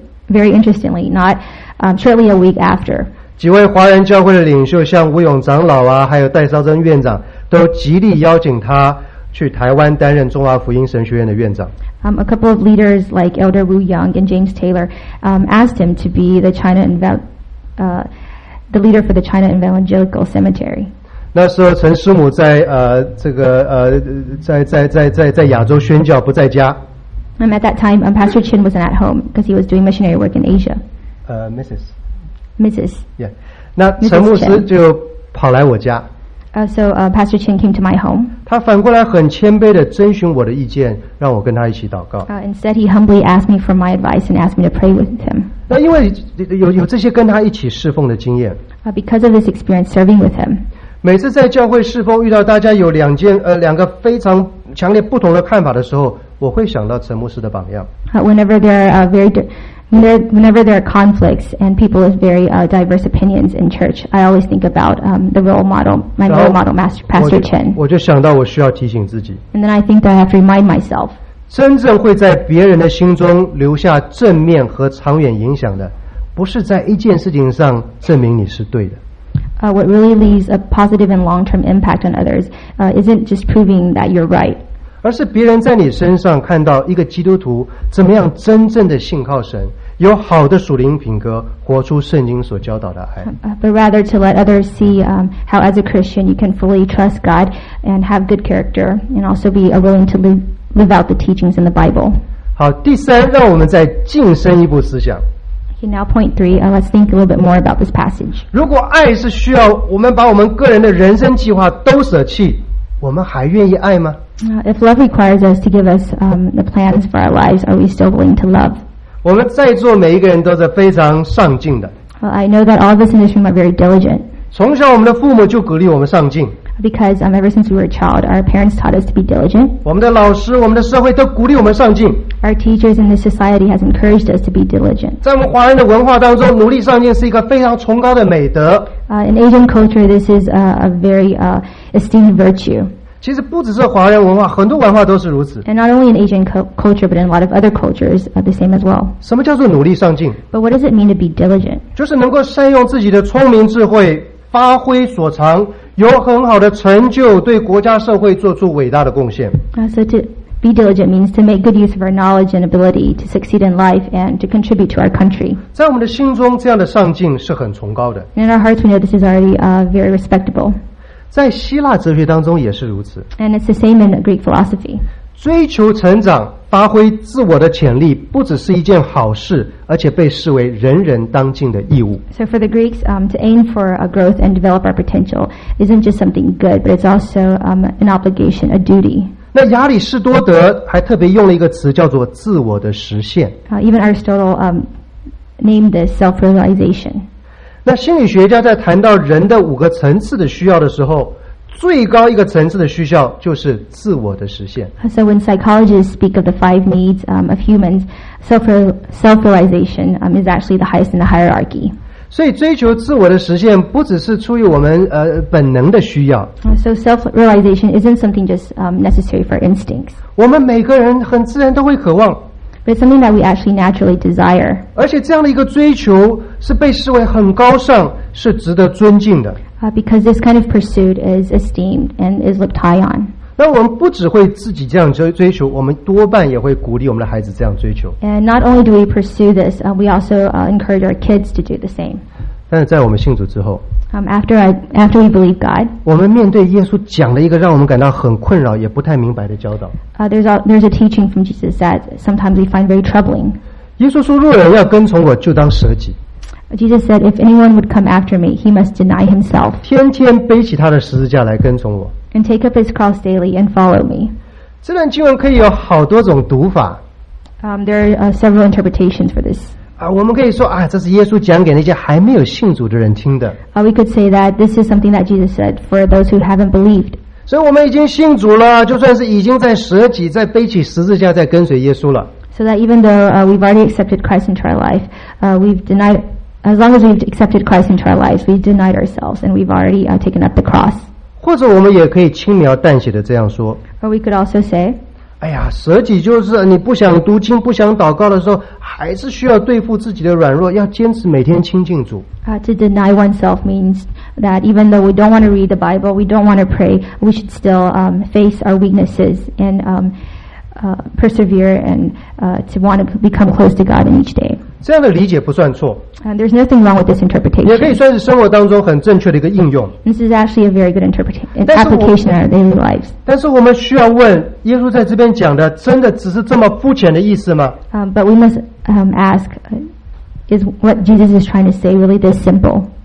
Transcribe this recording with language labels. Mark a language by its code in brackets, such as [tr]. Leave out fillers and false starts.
[en] Very interestingly, not shortly a week after. [zh] 几位华人教会的领袖，像吴永长老啊，还有戴绍珍院长，都极力邀请他去台湾担任中华福音神学院的院长。 [en] A couple of leaders like Elder Wu Young and James Taylor asked him to be the leader for the China Evangelical Seminary. [zh] 那时候陈师母在亚洲宣教不在家。 [en] And at that time, Pastor Chen wasn't at home because he was doing missionary work in Asia. Mrs. [zh] Yeah. 那陈牧师就跑来我家。 [en] Pastor Chen came to my home. [zh] 他反过来很谦卑地征询我的意见，让我跟他一起祷告。 [en] Instead, he humbly asked me for my advice and asked me to pray with him. [zh] 那因为有这些跟他一起侍奉的经验。 [en] Because of this experience serving with him. [zh] 每次在教会侍奉遇到大家有两个非常强烈不同的看法的时候，我会想到陈牧师的榜样。 [en] Whenever there are conflicts and people with very diverse opinions in church, I always think about the role model, my role model, Pastor Chen. [zh] 我就想到我需要提醒自己。 [en] And then I think that I have to remind myself. [zh] 真正会在别人的心中留下正面和长远影响的，不是在一件事情上证明你是对的。 [en] What really leaves a positive and long-term impact on others isn't just proving that you're right. [zh] 而是别人在你身上看到一个基督徒怎么样真正的信靠神，有好的属灵品格，活出圣经所教导的爱。 [en] But rather to let others see how as a Christian you can fully trust God and have good character and also be willing to live out the teachings in the Bible. [zh] 好，第三，让我们再进深一步思想。 [en] Okay, now point three, let's think a little bit more about this passage. [zh] 如果爱是需要我们把我们个人的人生计划都舍弃，我们还愿意爱吗？ [en] If love requires us to give us the plans for our lives, are we still willing to love? [zh] 我们在座每一个人都是非常上进的。 [en] Well, I know that all of us in this room are very diligent. [zh] 从小我们的父母就鼓励我们上进。 [en] Because ever since we were a child, our parents taught us to be diligent. [zh] 我们的老师，我们的社会都鼓励我们上进。 [en] Our teachers in this society has encouraged us to be diligent. [zh] 在我们华人的文化当中，努力上进是一个非常崇高的美德。 [en] In Asian culture, this is a very esteemed virtue. [zh] 其实不只是华人文化，很多文化都是如此。 [en] And not only in Asian culture, but in a lot of other cultures, the same as well. [zh] 什么叫做努力上进？ [en] But what does it mean to be diligent? [zh] 就是能够善用自己的聪明智慧，发挥所长，有很好的成就，对国家社会做出伟大的贡献。 [en] So to be diligent means to make good use of our knowledge and ability to succeed in life and to contribute to our country. [zh] 在我们的心中，这样的上进是很崇高的。 [en] In our hearts, we know this is already very respectable. [zh] 在希腊哲学当中也是如此。 [en] And it's the same in Greek philosophy. [zh] 追求成长，发挥自我的潜力，不只是一件好事，而且被视为人人当尽的义务。 [en] So for the Greeks, to aim for a growth and develop our potential isn't just something good, but it's also an obligation, a duty. [zh] 那亚里士多德还特别用了一个词叫做自我的实现。 [en] Even Aristotle named this self-realization. [zh] 那心理学家在谈到人的五个层次的需要的时候，最高一个层次的需要就是自我的实现。 [en] So when psychologists speak of the five needs of humans, self-realization is actually the highest in the hierarchy. [zh] 所以追求自我的实现不只是出于我们本能的需要。 [en] So self-realization isn't something just necessary for instincts. [zh] 我们每个人很自然都会渴望。 [en] But it's something that we actually naturally desire. [zh] 而且这样的一个追求是被视为很高尚，是值得尊敬的。 [en] Because this kind of pursuit is esteemed and is looked high on. [zh] 那我们不只会自己这样追求，我们多半也会鼓励我们的孩子这样追求。 [en] And not only do we pursue this, we also encourage our kids to do the same. [zh] 但是在我们信主之后， [en] after we believe God, [zh] 我们面对耶稣讲了一个让我们感到很困扰也不太明白的教导。 [en] There's a teaching from Jesus that sometimes we find very troubling. [zh] 耶稣说，若有人要跟从我，就当舍己。 [en] Jesus said, if anyone would come after me, he must deny himself. [zh] 天天背起他的十字架来跟从我。 [en] And take up his cross daily and follow me. [zh] 这段经文可以有好多种读法。 [en] There are several interpretations for this. [zh] 我们可以说啊，这是耶稣讲给那些还没有信主的人听的。 [en] We could say that this is something that Jesus said for those who haven't believed. [zh] 所以我们已经信主了，就算是已经在舍己，在背起十字架，在跟随耶稣了。 [en] So that even though we've already accepted Christ into our life, we've denied As long as we've accepted Christ into our lives, we've denied ourselves, and we've already taken up the cross. [zh] 或者我们也可以轻描淡写的这样说。 [en] Or we could also say, [zh] 哎呀，舍己就是你不想读经、不想祷告的时候，还是需要对付自己的软弱，要坚持每天亲近主。 [en] To deny oneself means that even though we don't want to read the Bible, we don't want to pray, we should still face our weaknesses and persevere and to want to become close to God in each day. [zh] 这样的理解不算错。 [en] There's nothing wrong with this interpretation. [zh] 也可以算是生活当中很正确的一个应用。 [en] This is actually a very good application in our daily lives. [zh] 但是我们需要问，耶稣在这边讲的真的只是这么肤浅的意思吗？ [en] But we must ask, is what Jesus is trying to say really this simple?